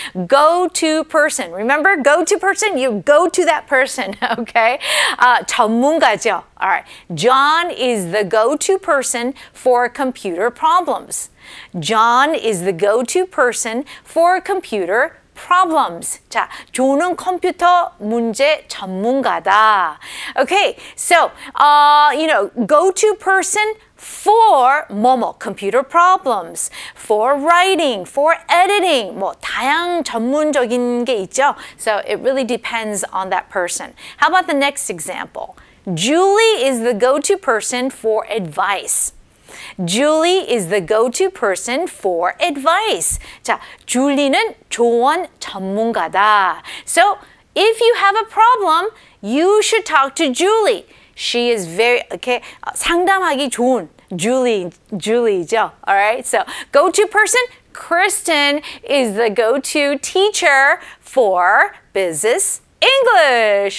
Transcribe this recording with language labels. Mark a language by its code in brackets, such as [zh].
[en] Go to person. Remember, go to person? You go to that person, okay? [ko] 전문가죠. [en] All right. John is the go-to person for computer problems. John is the go-to person for computer problems. [ko] 자, 존은 컴퓨터 문제 전문가다. [en] Okay, so, go-to person for 뭐뭐 computer problems, for writing, for editing, [ko] 뭐 다양 전문적인 게 있죠. [en] So it really depends on that person. How about the next example? Julie is the go-to person for advice. Julie is the go-to person for advice. [ko] 자, 줄리는 조언 전문가다. [en] So if you have a problem, you should talk to Julie. She is very, okay, [ko] 상담하기 좋은 [en] Julie죠. All right, so go-to person, Kristen is the go-to teacher for business English.